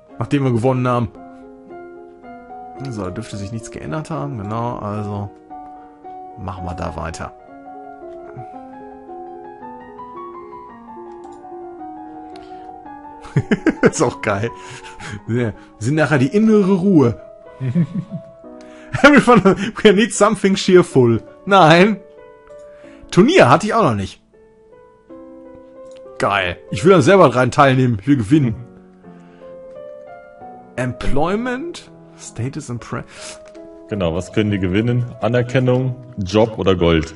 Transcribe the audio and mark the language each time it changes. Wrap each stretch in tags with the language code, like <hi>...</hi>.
<de>Nachdem wir gewonnen haben. So, da dürfte sich nichts geändert haben. Genau, also. Machen wir da weiter. Ist auch geil. Wir sind nachher die innere Ruhe.</de> <en>We need something cheerful.</en> <de>Nein. Turnier hatte ich auch noch nicht. Geil. Ich will da selber rein teilnehmen. Ich will gewinnen.</de> <en>Employment? Status and Pre.</en> <de>Genau, was können die gewinnen? Anerkennung, Job oder Gold?</de>